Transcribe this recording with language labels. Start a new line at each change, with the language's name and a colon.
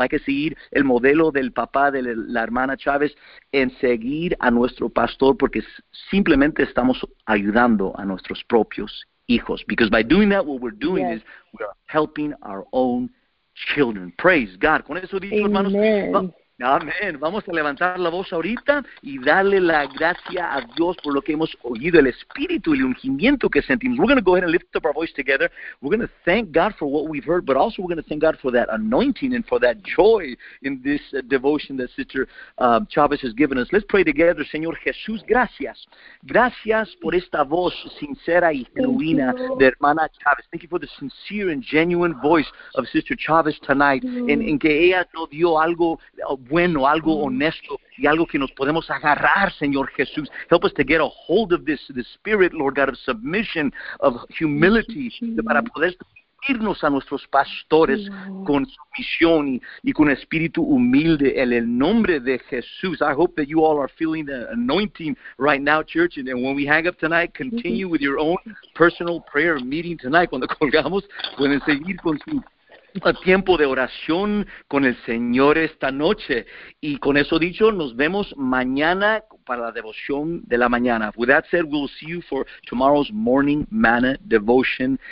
Spanish: Hay que seguir el modelo del papá de la hermana Chavez en seguir a nuestro pastor, porque simplemente estamos ayudando a nuestros propios hijos.
English: Because by doing that, what we're doing, yes, is we are helping our own children. Praise God.
Spanish: Con eso dicho, hermanos. Amén. Vamos a levantar la voz ahorita y darle la gracia a Dios por lo que hemos oído, el espíritu y el ungimiento que sentimos.
English: We're going to go ahead and lift up our voice together. We're going to thank God for what we've heard, but also we're going to thank God for that anointing and for that joy in this devotion that Sister Chavez has given us. Let's pray together.
Spanish: Señor Jesús, gracias. Gracias por esta voz sincera y genuina de hermana Chavez.
English: Thank you for the sincere and genuine voice of Sister Chavez tonight,
Spanish: en que ella no dio algo bueno, algo honesto y algo que nos podemos agarrar, Señor Jesús.
English: Help us to get a hold of this spirit, Lord God, of submission, of humility,
Spanish: para poder irnos a nuestros pastores, yeah, con sumisión y con espíritu humilde en el nombre de Jesús.
English: I hope that you all are feeling the anointing right now, church. And when we hang up tonight, continue with your own personal prayer meeting tonight.
Spanish: Cuando colgamos, pueden seguir con su tiempo de oración con el Señor esta noche. Y con eso dicho, nos vemos mañana para la devoción de la mañana.
English: With that said, we'll see you for tomorrow's morning manna devotion.